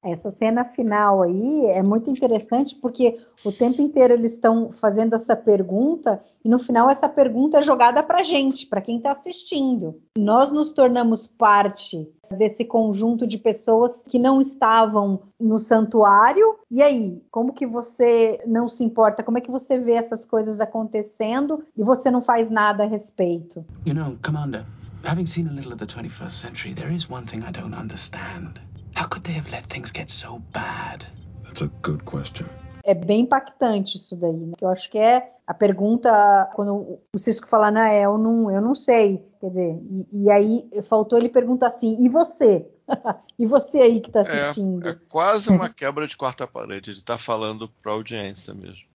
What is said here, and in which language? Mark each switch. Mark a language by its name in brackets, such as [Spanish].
[Portuguese] Essa cena final aí é muito interessante, porque o tempo inteiro eles estão fazendo essa pergunta, e no final essa pergunta é jogada pra gente, pra quem tá assistindo. Nós nos tornamos parte desse conjunto de pessoas que não estavam no santuário. E aí, como que você não se importa? Como é que você vê essas coisas acontecendo e você não faz nada a respeito? [English] You know, Commander, having seen a little of the 21st century, there is one thing I don't understand. How could they have let things get so bad? That's a good question. [Portuguese] É bem impactante isso daí, né? Eu acho que é A pergunta, quando o Cisco fala, não, eu não sei, quer dizer, e aí faltou ele perguntar assim, e você? E você aí que está assistindo? É quase uma quebra de quarta parede, ele está falando para a audiência mesmo.